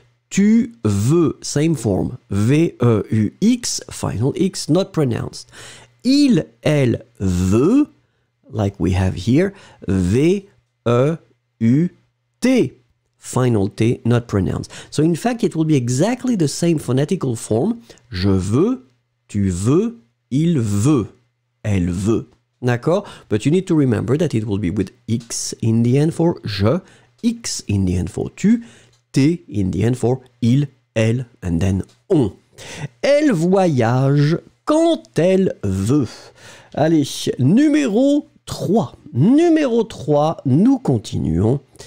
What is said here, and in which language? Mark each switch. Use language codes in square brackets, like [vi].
[fr] Tu veux, [en] same form. V-E-U-X, final X not pronounced. [fr] Il, elle veut, [en] like we have here. V-E-U-T, final T not pronounced. So in fact, it will be exactly the same phonetical form. [fr] Je veux, tu veux, il veut, elle veut. D'accord? [en] But you need to remember that it will be with X in the end for je, X in the end for tu, T in the end for il, elle, and then on. [fr] Elle voyage quand elle veut. Allez, numéro 3. Numéro 3, nous continuons.